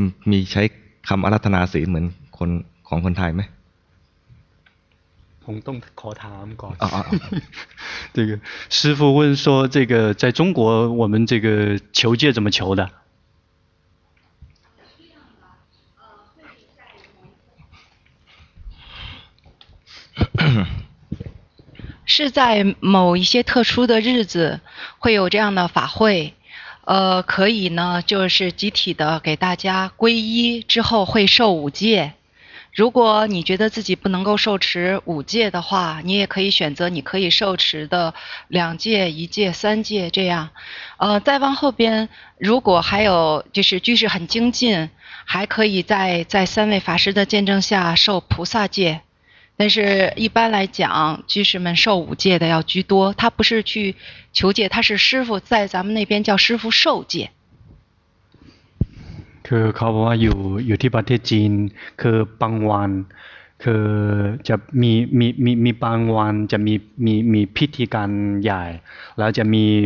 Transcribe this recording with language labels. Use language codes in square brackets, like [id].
[th] มีใช้คำอาราธนาศีลเหมือนคนของคนไทยไหม ผมต้องขอถามก่อน [zh] 这个师父问说这个在中国我们这个求戒怎么求的是在某一些特殊的日子会有这样的法会可以呢就是集体的给大家皈依之后会受五戒如果你觉得自己不能够受持五戒的话你也可以选择你可以受持的两戒一戒三戒这样再往后边如果还有就是居士很精进还可以在三位法师的见证下受菩萨戒但是一般来讲居士们受五戒的要居多他不是去求戒他是师父在咱们那边叫师父受戒 [th] คือเขาบอกว่าอยู่ที่ประเทศจีนคือบางวันคือจะมีบางวันจะมีพิธีการใหญ่แล้วจะม